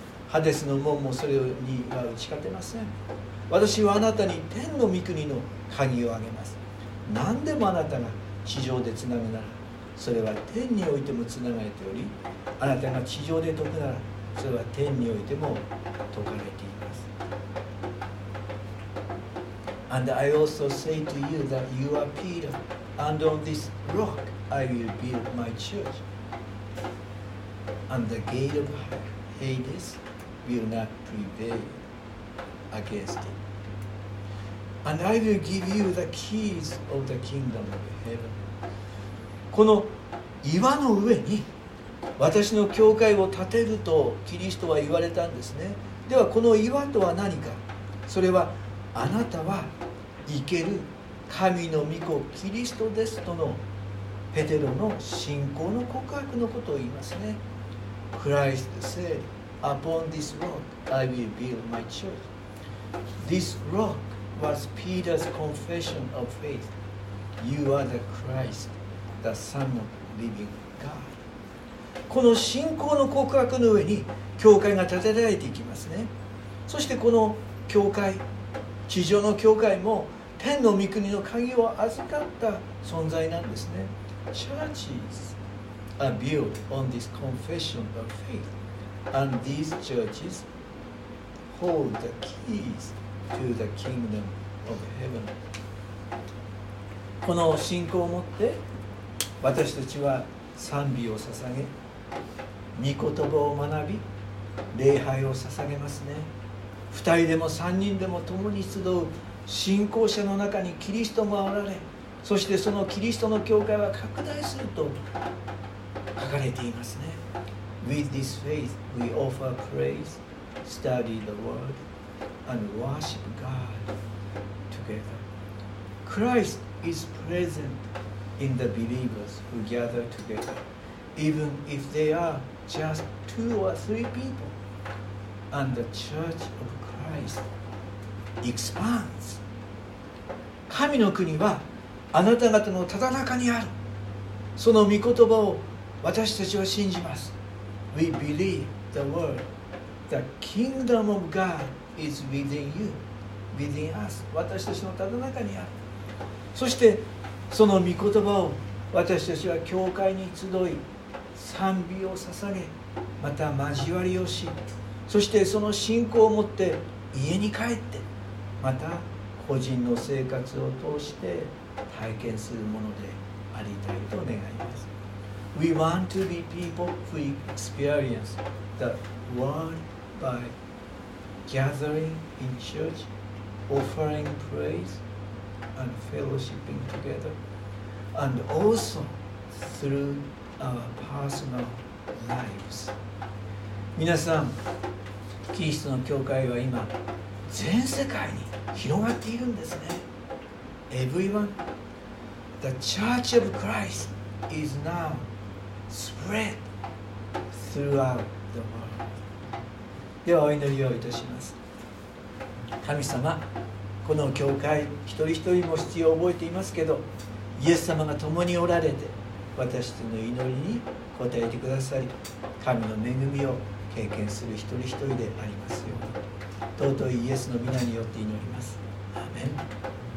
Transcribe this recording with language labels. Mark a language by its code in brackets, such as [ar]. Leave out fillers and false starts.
[ja] ハデスの門もそれには打ち勝てません。私はあなたに天の御国の鍵をあげます。何でもあなたが地上でつなぐならそれは天においてもつながれており、あなたが地上で解くならそれは天においても解かれています。 [en] And I also say to you that you are Peter, and on this rock I will build my church, and the gate of Hades will not prevail against it. And I will give you the keys of the kingdom of heaven. [ja] この岩の上に私の教会を建てるとキリストは言われたんですね。ではこの岩とは何か。それはあなたは生ける神の御子キリストですとのペテロの信仰の告白のことを言いますね。 [en] Christ said, Upon this rock I will build my church. This rock was Peter's confession of faith. You are the Christ, the Son of living God. [ja] この信仰の告白の上に教会が建てられていきますね。そしてこの教会、地上の教会も天の御国の鍵を預かった存在なんですね。 [en] Churches are built on this confession of faith, and these churches hold the keys to the kingdom of heaven. [ja] この信仰を持って私たちは賛美を捧げ、御言葉を学び、礼拝を捧げますね。二人でも三人でも共に集う信仰者の中にキリストもおられ、そしてそのキリストの教会は拡大すると書かれていますね。 [en] With this faith we offer praise, study the word, and worship God together. Christ is present in the believers who gather together. Even if they are just two or three people, and the Church of Christ expands. [ja] 神の国はあなた方のただ中にある。その御言葉を私たちは信じます。 [en] We believe the word. The kingdom of God is within you, within us. [ja] 私たちのただ中にある。そしてその御言葉を私たちは教会に集い、賛美を捧げ、また交わりをし、そしてその信仰を持って家に帰って、また個人の生活を通して体験するものでありたいと願います。 [en] We want to be people who experience the word by gathering in church, offering praise and fellowshipping together, and also throughOur personal lives. [ja] 皆さん、キリストの教会は今全世界に広がっているんですね。 [en] Everyone, the Church of Christ is now spread throughout the world. [ja] ではお祈りをいたします。神様、この教会一人一人も必要を覚えていますけど、イエス様が共におられて私の祈りに応えてください。神の恵みを経験する一人一人でありますように。尊いイエスの御名によって祈ります。アーメン。